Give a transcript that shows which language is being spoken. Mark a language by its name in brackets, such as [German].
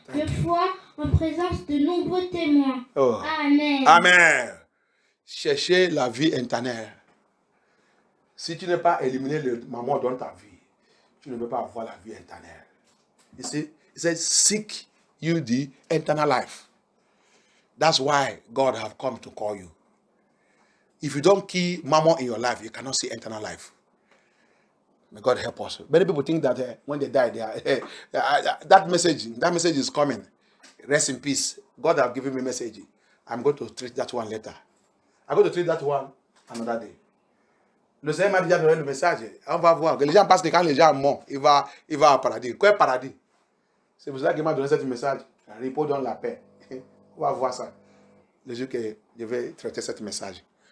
[French] De foi en présence de nombreux témoins. Oh. Amen. Amen. Cherchez la vie éternelle. Si tu n'es pas éliminé le maman dans ta vie, tu ne peux pas avoir la vie éternelle. Il dit, [English] seek you the eternal life. That's why God have come to call you. If you don't keep mammon in your life, you cannot see eternal life. May God help us. Many people think that when they die, they are that message is coming. Rest in peace. God have given me a message. I'm going to treat that one later. I'm going to treat that one another day. [French] Le Seigneur m'a déjà donné le message. On va voir. Les gens pensent que quand les gens mourent, il va au paradis. Quel paradis? C'est pour ça qu'il m'a donné ce message. Repos dans la paix. On va voir ça. Le jour que je vais traiter ce message.